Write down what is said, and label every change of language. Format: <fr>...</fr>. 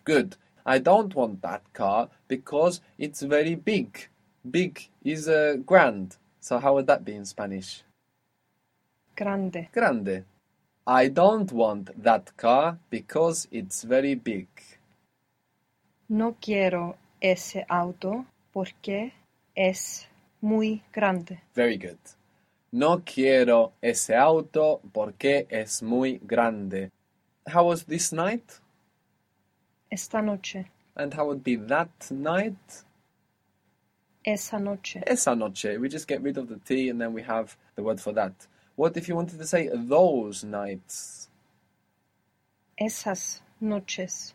<en>Good. I don't want that car because it's very big. Big is grand. So how would that be in Spanish?</en> <es>Grande. Grande.</es> <en>I don't want that car because it's very big.</en> <es>No quiero ese auto porque es muy grande.</es> <en>Very good.</en> <es>No quiero ese auto porque es muy grande.</es> <en>How was this night?</en> <es>Esta noche.</es> <en>And how would be that night?</en> <es>Esa noche. Esa noche.</es> <en>We just get rid of the T and then we have the word for that. What if you wanted to say those nights?</en> <es>Esas noches.</es>